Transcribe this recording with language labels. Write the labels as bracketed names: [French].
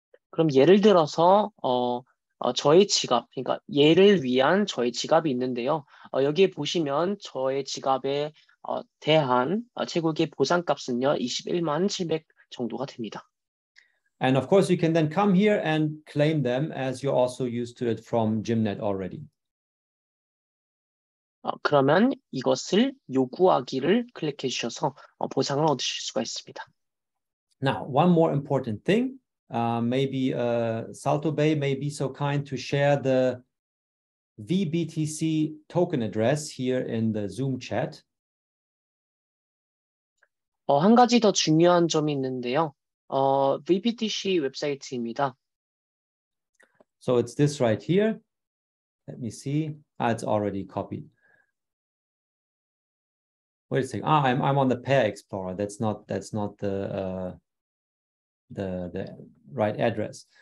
[Korean] 그럼 예를 들어서 저의 지갑, 그러니까 예를 위한 저의 지갑이 있는데요. 여기에 보시면 저의 지갑에 대한 채굴기 보상값은요, 21,700 정도가 됩니다. [English] And of course, you can then come here and claim them as you're also used to it from GymNet already. [Korean] 그러면 이것을 요구하기를 클릭해 주셔서 보상을 얻으실 수가 있습니다. [English] Now, one more important thing. Salto Bay may be so kind to share the VBTC token address here in the Zoom chat. [Korean] 한 가지 더 중요한 점이 있는데요. VBTC 웹사이트입니다. [English] So it's this right here. Let me see. It's already copied. Wait a second. I'm on the Pair Explorer. That's not the right address.